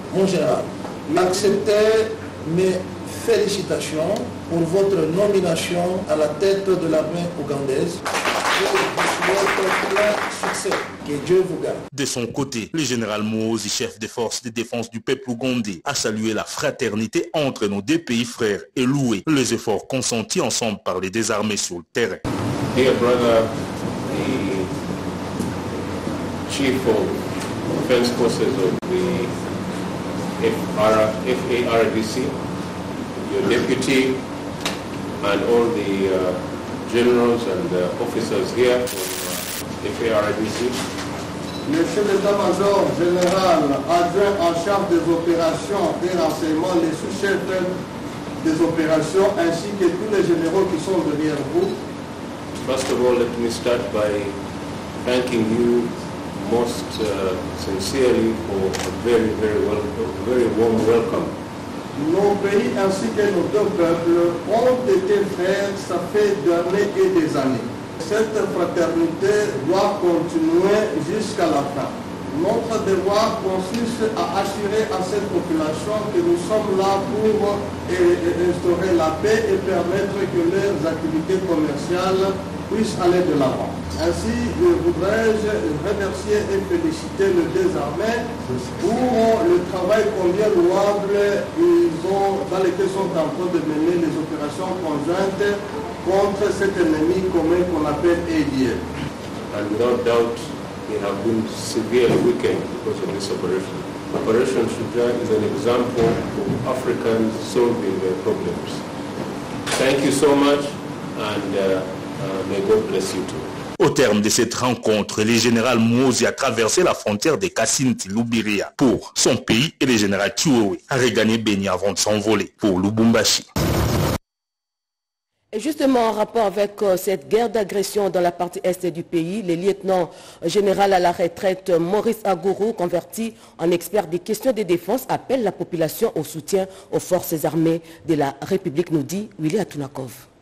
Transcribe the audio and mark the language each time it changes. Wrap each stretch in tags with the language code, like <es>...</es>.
<fr>Mon général, m'acceptez, mais félicitations pour votre nomination à la tête de l'armée ougandaise. Je vous souhaite plein succès. Que Dieu vous garde. De son côté, le général Mouozi, chef des forces de défense du peuple ougandais, a salué la fraternité entre nos deux pays frères et loué les efforts consentis ensemble par les deux armées sur le terrain.</fr> <en>Dear brother, the chief of defense forces of the FARDC, your deputy and all the generals and officers here from FARDC.</en> <fr>Monsieur l'état-major général adjoint en charge des opérations et renseignements, les sous-chefs des opérations ainsi que tous les généraux qui sont derrière vous.</fr> <en>First of all, let me start by thanking you most sincerely for a very, very welcome, very warm welcome.</en> <fr>Nos pays ainsi que nos deux peuples ont été frères, ça fait des années et des années. Cette fraternité doit continuer jusqu'à la fin. Notre devoir consiste à assurer à cette population que nous sommes là pour instaurer la paix et permettre que leurs activités commerciales puissent aller de l'avant. Ainsi, je voudrais remercier et féliciter les deux armées pour le travail combien louable ils ont, dans lequel sont en train de mener les opérations conjointes contre cet ennemi commun qu'on appelle ADF.</fr> <en>And without doubt, they have been severely weakened because of this operation. Operation Shujaa is an example of Africans solving their problems. Thank you so much and may God bless you too.</en> <fr>Au terme de cette rencontre, le général Mouozi a traversé la frontière de Kassindi-Loubiria pour son pays et le général Tshiwewe a regagné Beni avant de s'envoler pour Lubumbashi. Et justement, en rapport avec cette guerre d'agression dans la partie est du pays, le lieutenant général à la retraite Maurice Agourou, converti en expert des questions de défense, appelle la population au soutien aux forces armées de la République, nous dit Willy Atunakov.</fr>